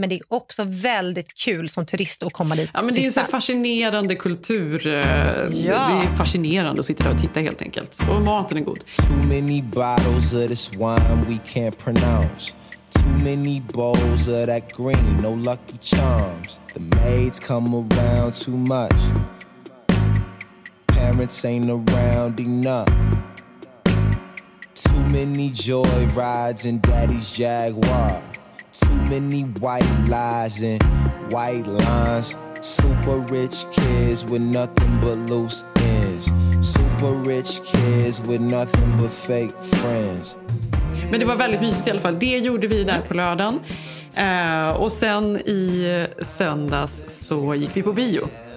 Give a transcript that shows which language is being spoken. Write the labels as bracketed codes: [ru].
[sv] men det är också väldigt kul som turist att komma dit. Ja, men det är ju så här fascinerande kultur. Ja. Det är fascinerande att sitta där och titta helt enkelt. Och maten är god. [en] Too many bottles of this wine we can't pronounce. Too many bowls of that green, no lucky charms. The maids come around too much. Parents ain't around enough. Too many joy rides in daddy's Jaguar. Too many white lies and white lines. Super rich kids with nothing but loose ends. Super rich kids with nothing but fake friends. [sv] Men det var väldigt mysigt i alla fall. Det gjorde vi där på lördagen. Och sen i söndags så gick vi på bio.